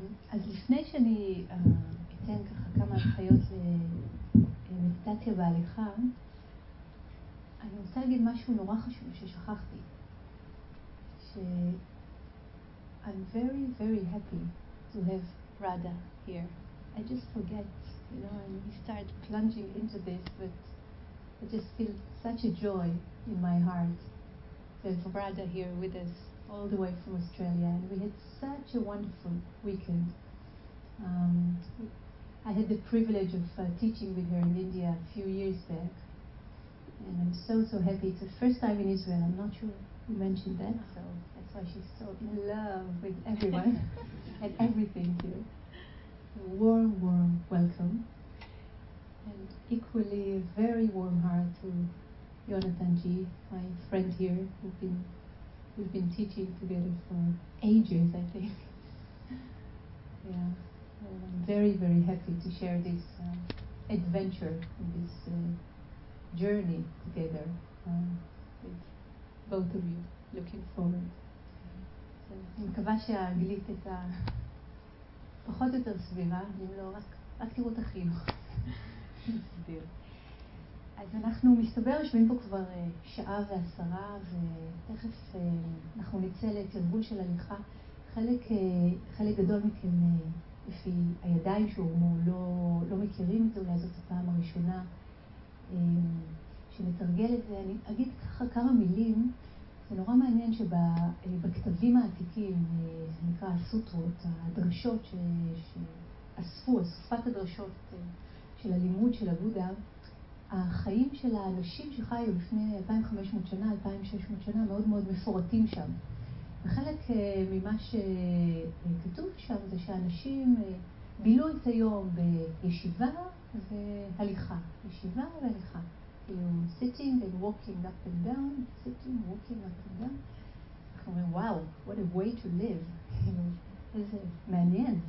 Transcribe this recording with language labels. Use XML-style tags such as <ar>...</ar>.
<he>אז לפני שאני אתן ככה כמה הנחיות למדיטציה בהליכה, אני רוצה להגיד משהו נורא חשוב ששכחתי.</he> <en>I'm very, very happy to have Radha here. I just forget, you know, and we start plunging into this, but I just feel such a joy in my heart to have Radha here with us all the way from Australia. And we had such a wonderful weekend. I had the privilege of teaching with her in India a few years back. And I'm so, so happy. It's the first time in Israel. I'm not sure you mentioned that, so that's why she's so in love with everyone and everything too. warm welcome, and equally a very warm heart to Jonathan G, my friend here, who we've been teaching together for ages, I think. Yeah, well, I'm very, very happy to share this adventure, this journey together with both of you. Looking forward.</en> <he>אני מקווה שהאנגלית הייתה פחות או יותר סביבה, אם לא, רק תראו את החינוך. סביר. אז אנחנו מסתבר, שמים פה כבר שעה ועשרה, ותכף אנחנו נצא לתרגול של הליכה. חלק גדול מכם, לפי הידיים שאומרו, לא מכירים את זה, אולי זאת הפעם הראשונה שנתרגל את זה. אני אגיד ככה כמה מילים. זה נורא מעניין שבכתבים העתיקים, זה נקרא הסוטרות, הדרשות שאספו, אספת הדרשות של הלימוד של הבודה, החיים של האנשים שחיו לפני 2500 שנה, 2600 שנה, מאוד מאוד מפורטים שם. וחלק ממה שכתוב שם זה שאנשים בילו את היום בישיבה והליכה. ישיבה והליכה.</he> <en>Sitting and walking up and down, sitting, walking up and down. I'm like, wow, what a way to live. This is</en> <he>מעניין.</he>